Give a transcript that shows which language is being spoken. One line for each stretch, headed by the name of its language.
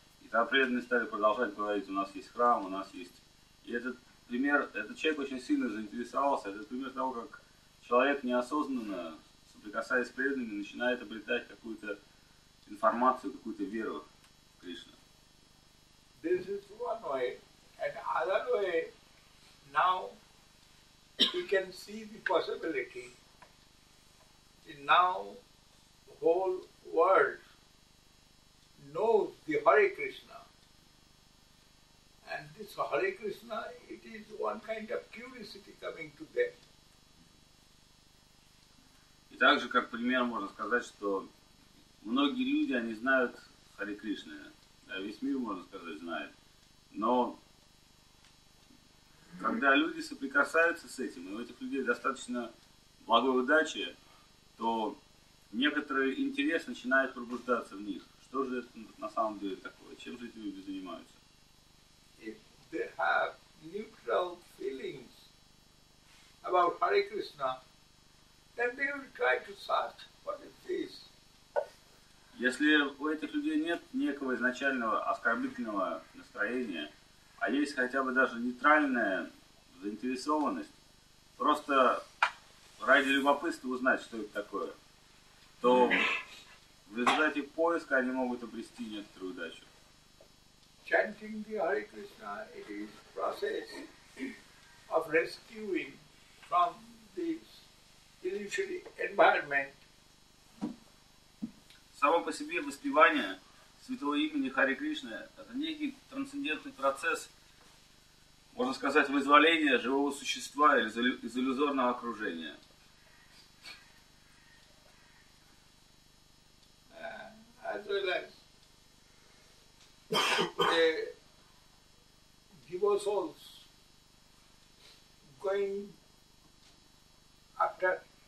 Russian: Когда преданные стали продолжать говорить, у нас есть храм, у нас есть... И этот пример, этот человек очень сильно заинтересовался, этот пример того, как человек неосознанно, соприкасаясь с преданными, начинает обретать какую-то информацию, какую-то веру в Кришну.
English: This is one way. And other way, now we can see the possibility. And now the whole world knows the Hare Krishna. And this Hare Krishna, it is one kind of curiosity coming to them.
Russian: И также, как пример, можно сказать, что многие люди, они знают Hare Krishna. Да, весь мир, можно сказать, знает. Но когда люди соприкасаются с этим, и у этих людей достаточно благой удачи, то некоторый интерес начинает пробуждаться в них. Что же это на самом деле такое? Чем же эти люди занимаются?
English: If they have neutral feelings about Hare Krishna, then they will try to search for the fish.
Russian: Если у этих людей нет некого изначального оскорбительного настроения, а есть хотя бы даже нейтральная заинтересованность, просто ради любопытства узнать, что это такое, то в результате поиска они могут обрести некоторую удачу.
English: Chanting the Hare Krishna is a process of rescuing from this illusory environment.
Russian: Само по себе воспевание святого имени Харе Кришны это некий трансцендентный процесс, можно сказать, вызволения живого существа из иллюзорного окружения.
English: As well as the devotees souls going after